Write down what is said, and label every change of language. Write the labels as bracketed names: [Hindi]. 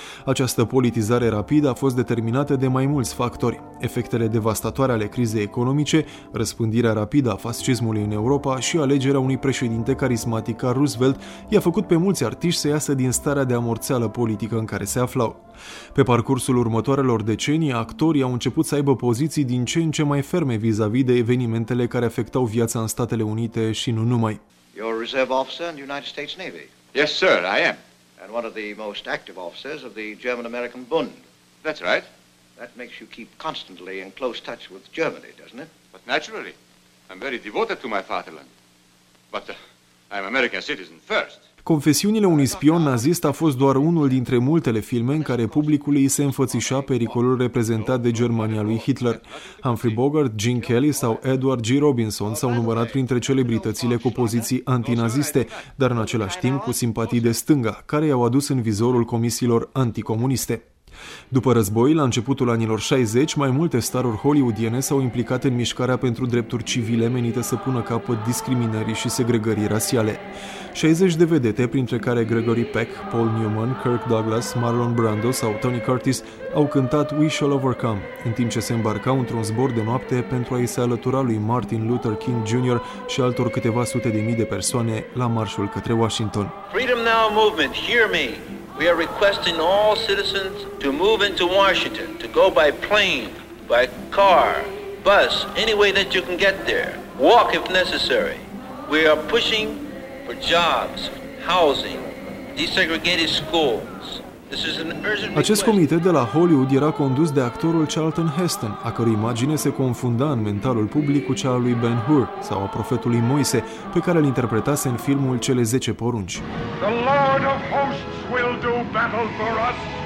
[Romanian] Această politizare rapidă a fost determinată de mai mulți factori: efectele devastatoare ale crizei economice, răspândirea rapidă a fascismului în Europa și alegerea unui președinte carismatic ca Roosevelt i-a făcut pe mulți artiști să iasă din starea de amorțeală politică în care se aflau. Pe parcursul următoarelor decenii, actorii au început să aibă poziții din ce în ce mai ferme vis-a-vis de evenimentele care afectau viața în Statele Unite și nu numai. [English] You're a reserve officer in the United States Navy? Yes, sir, I am. And one of the most active officers of the German-American Bund? That's right. That makes you keep constantly in close touch with Germany, doesn't it? But naturally. I'm very devoted to my fatherland. But I'm American citizen first. [Romanian] Confesiunile unui spion nazist a fost doar unul dintre multele filme în care publicul îi se înfățișa pericolul reprezentat de Germania lui Hitler. Humphrey Bogart, Gene Kelly sau Edward G. Robinson s-au numărat printre celebritățile cu poziții antinaziste, dar în același timp cu simpatii de stânga, care i-au adus în vizorul comisiilor anticomuniste. După război, la începutul anilor 60, mai multe staruri hollywoodiene s-au implicat în mișcarea pentru drepturi civile menită să pună capăt discriminării și segregării rasiale. 60 de vedete, printre care Gregory Peck, Paul Newman, Kirk Douglas, Marlon Brando sau Tony Curtis, au cântat We Shall Overcome, în timp ce se îmbarcau într-un zbor de noapte pentru a-i se alătura lui Martin Luther King Jr. și altor câteva sute de mii de persoane la marșul către Washington. [English] Freedom Now Movement, hear me! We are requesting all citizens to move into Washington, to go by plane, by car, bus, any way that you can get there. Walk if necessary. We are pushing for jobs, housing, desegregated schools. [Romanian] Acest comitet de la Hollywood era condus de actorul Charlton Heston, a cărui imagine se confunda în mentalul public cu cea a lui Ben-Hur, sau a profetului Moise, pe care îl interpretase în filmul Cele 10 porunci. [English] The Lord of Hosts will do battle for us.